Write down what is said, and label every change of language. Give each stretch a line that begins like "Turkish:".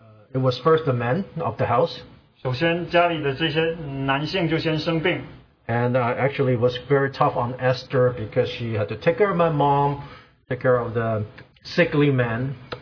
English: It was first the men of the house.
Chinese: 首先家里的这些男性就先生病。
English: And actually it was very tough on Esther because she had to take care of my mom, take care of the sickly man.